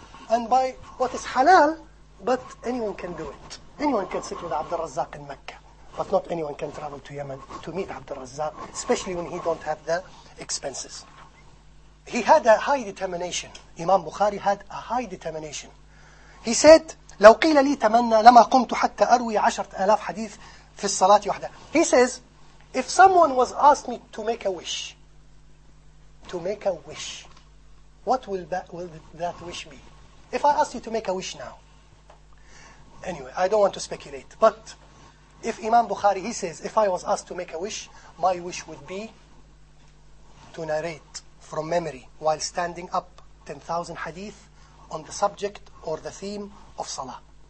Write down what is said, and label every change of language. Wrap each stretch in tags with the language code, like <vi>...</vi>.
<en>And by what is halal, but anyone can do it. Anyone can sit with Abdul Razzaq in Mecca. But not anyone can travel to Yemen to meet Abdul Razzaq, especially when he don't have the expenses. He had a high determination. Imam Bukhari had a high determination. He said,</en> <ar>لو قيل لي تمنى لما قمت حتى أروي 10,000 حديث في الصلاة وحده.</ar> <en>He says, if someone was asked me to make a wish, to make a wish, what will that wish be? If I asked you to make a wish now, anyway, I don't want to speculate, but if Imam Bukhari, he says, if I was asked to make a wish, my wish would be to narrate from memory while standing up 10,000 hadith on the subject or the theme of salah.</en>